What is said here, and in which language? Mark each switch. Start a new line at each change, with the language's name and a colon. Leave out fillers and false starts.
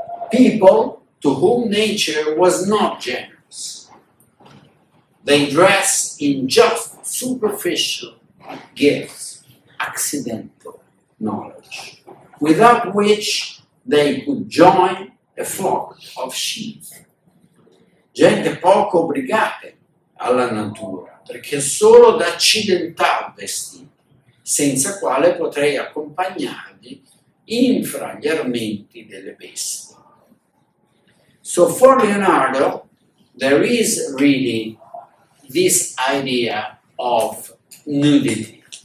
English: People to whom nature was not generous. They dress in just superficial gifts, accidental knowledge, without which they could join a flock of sheep.
Italian: Gente poco obbligata alla natura, perché solo da accidental vestiti, senza quale potrei accompagnarli infra gli armenti delle bestie.
English: So for Leonardo, there is really this idea of nudity.